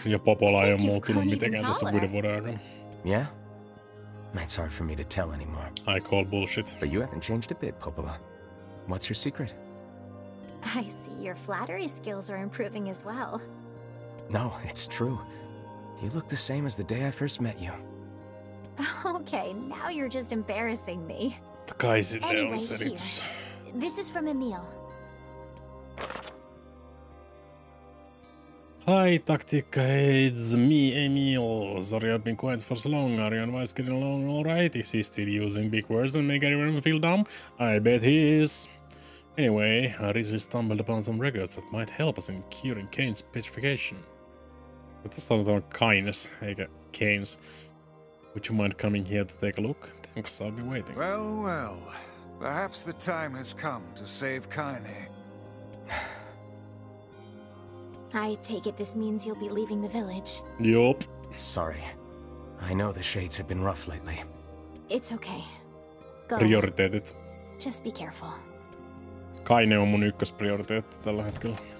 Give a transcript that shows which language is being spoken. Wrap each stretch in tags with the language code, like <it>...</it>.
<fi>Ja Popola ei ole muuttunut mitenkään tässä viiden vuoden aikana.</fi> <en>Yeah? It's hard for me to tell anymore. I call bullshit. But you haven't changed a bit, Popola. What's your secret? I see your flattery skills are improving as well. No, it's true. You look the same as the day I first met you. Okay, now you're just embarrassing me. The guys in there anyway, said here. This is from Emil. Hi, Taktika. It's me, Emil. Sorry I've been quiet for so long. Are you and Weiss getting along alright? Is he still using big words and make everyone feel dumb? I bet he is. Anyway, I recently stumbled upon some records that might help us in curing Kane's petrification.</en> <fi>Tässä on tämä Kaines, eikä Keynes.</fi> <en>Would you mind coming here to take a look? Thanks, I'll be waiting. Well, well. Perhaps the time has come to save Kaine. I take it this means you'll be leaving the village. Yup. Sorry. I know the shades have been rough lately. It's okay. Go.</en> <fi>Prioriteetit.</fi> <en>Just be careful.</en> <fi>Kaine on mun ykkösprioriteetti tällä hetkellä.</fi>